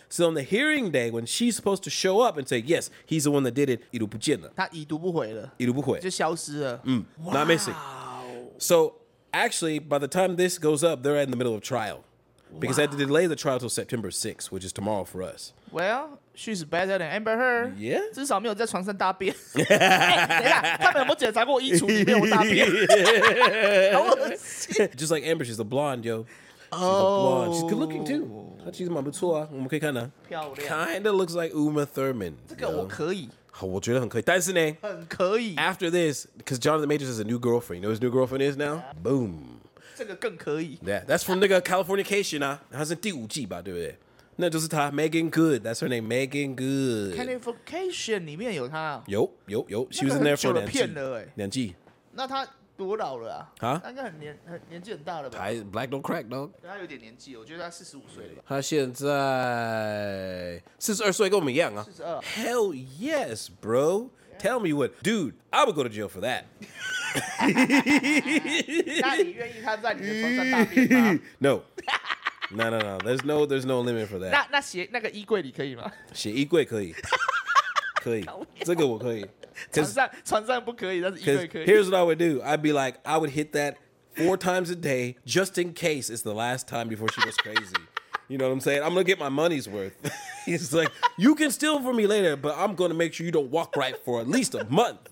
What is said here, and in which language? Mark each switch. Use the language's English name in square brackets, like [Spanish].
[English] So on the hearing day, when she's supposed to show up and say, yes, he's the one that did it, [Chinese] 已读不见了。他已读不回了。已读不回。就消失了。 [English] 嗯, wow. Not missing. So actually, by the time this goes up, they're in the middle of trial. Because they had to delay the trial until September 6th, which is tomorrow for us. Well, she's better than Amber Heard. Yeah. [Chinese] 至少没有在床上大便。等一下，他们有没有检查过衣橱里面有大便？好恶心。 [English] Just like Amber, she's a blonde, yo. She's a blonde. She's good looking, too. [Chinese] 她其实蛮不错啊，我们可以看的。漂亮。 [English] Kind of looks like Uma Thurman. [Chinese] 这个我可以。我觉得很可以，但是呢，很可以。 [English] After this, because Jonathan Majors has a new girlfriend. You know who his new girlfriend is now? Yeah. Boom. This is even better. Yeah, that's from the Californication. It's in the fifth season, right? [Chinese] 那就是他 [English] Megan Good， that's her name， Megan Good。 [Chinese] Californication 里面有他、哦、有 [English] She was in there for [Chinese] 两季。那他多老了啊？啊，他应该年纪很大了吧？还 Black Don't Crack 呢？他有点年纪，我觉得他45岁了吧。他现在42岁，跟我们一样啊。 42。 [English] Hell yes, bro.、Yeah. Tell me what, dude? I would go to jail for that. [Chinese] 那你愿意他在你的床上大便吗 [English] ？No. No. There's no limit for that. [Chinese] 那写那个衣柜里可以吗？写衣柜可以。可以，这个我可以。船上不可以，但是衣柜可以。 [English] Here's what I would do. I'd be like, I would hit that 4 times a day, just in case it's the last time before she goes crazy. You know what I'm saying? I'm gonna get my money's worth. He's like, you can steal from me later, but I'm gonna make sure you don't walk right for at least a month.